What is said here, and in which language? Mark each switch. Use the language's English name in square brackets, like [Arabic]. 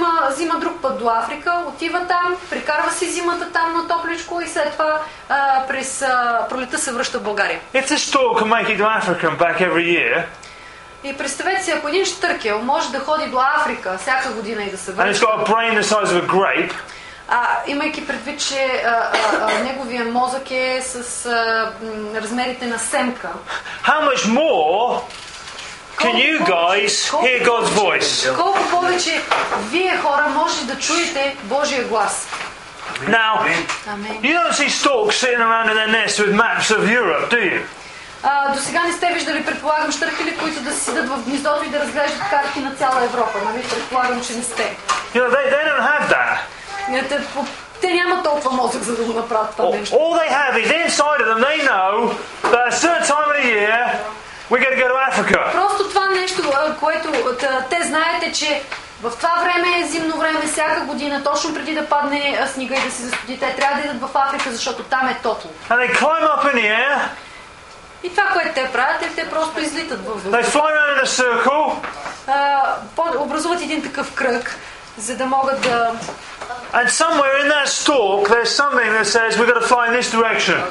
[Bulgarian] Зима друг път до Африка, отива там, прекарва си зимата там на топличко и след това през пролета се връща в България. [English] If this storm can make it to Africa and back every year. [Bulgarian] И представете си, ако един щъркел може да ходи до Африка всяка година и да се връща. [English] And it's got a brain the size of a grape. [Bulgarian] Имайки предвид, че неговия мозък е с размерите на семка. [English] How much more can you guys hear God's voice? [Bulgarian] Колко повече вие хора може да чуете Божия глас? [English] Now, you don't see storks sitting around in their nest with maps of Europe, do you? [Bulgarian] До сега не сте виждали, предполагам, щъркели, които да седат в гнездото и да разглеждат карти на цяла Европа, нали? Предполагам, че не сте. [English] You know, they don't have that. [Bulgarian] Те, по, Те нямат толкова мозък за да го направят това нещо. [English] All they have is inside of them, they know that a certain time of the year we're going to go to Africa. [Bulgarian] Просто това нещо, което те знаете, че в това време е зимно време, всяка година, точно преди да падне снега и да се застуди, те трябва да идат в Африка, защото там е топло. [English] And they climb up in the air. [Bulgarian] И това, което те правят, е, те просто излитат във въздуха. [English] They fly around in a circle. [Bulgarian] Образуват един такъв кръг, за да могат да. [English] And somewhere in that stalk, there's something that says we've got to fly in this direction.